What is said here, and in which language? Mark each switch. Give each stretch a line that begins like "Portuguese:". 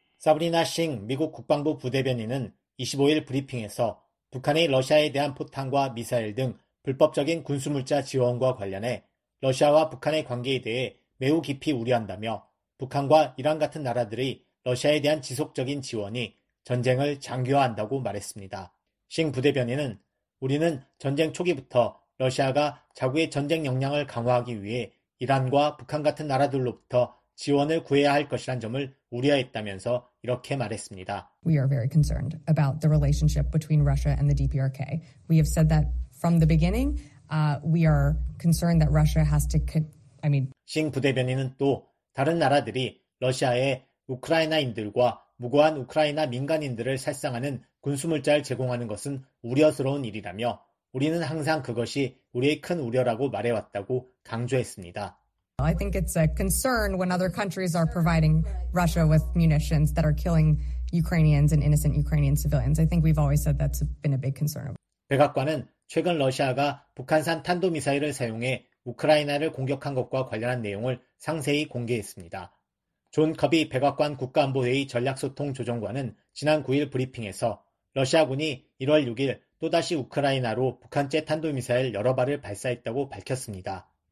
Korean: 사브리나 싱 미국 국방부 부대변인은 25일 브리핑에서 북한이 러시아에 대한 포탄과 미사일 등 불법적인 군수물자 지원과 관련해 러시아와 북한의 관계에 대해 매우 깊이 우려한다며 북한과 이란 같은 나라들이 러시아에 대한 지속적인 지원이 전쟁을 장기화한다고 말했습니다. 싱 부대변인은 우리는 전쟁 초기부터 러시아가 자국의 전쟁 역량을 강화하기 위해 이란과 북한 같은 나라들로부터 지원을 구해야 할 것이란 점을 우려했다면서 이렇게 말했습니다.
English: We are very concerned about the relationship between Russia and the DPRK. We have said that from the beginning. We are concerned that Russia has to
Korean: Xing 부대변인은 또 다른 나라들이 러시아에 우크라이나인들과 무고한 우크라이나 민간인들을 살상하는 군수물자를 제공하는 것은 우려스러운 일이라며 우리는 항상 그것이 우리의 큰 우려라고 말해왔다고 강조했습니다.
English: I think it's a concern when other countries are providing Russia with munitions that are killing Ukrainians and innocent Ukrainian civilians. I think we've always said that's been a big concern.
Korean: 백악관은 최근 러시아가 북한산 탄도미사일을 사용해 우크라이나를 공격한 것과 관련한 내용을 상세히 공개했습니다. 존 커비 백악관 국가안보회의 전략소통조정관은 지난 9일 브리핑에서 러시아군이 1월 6일 또다시 우크라이나로 북한제 탄도미사일 여러 발을 발사했다고 밝혔습니다.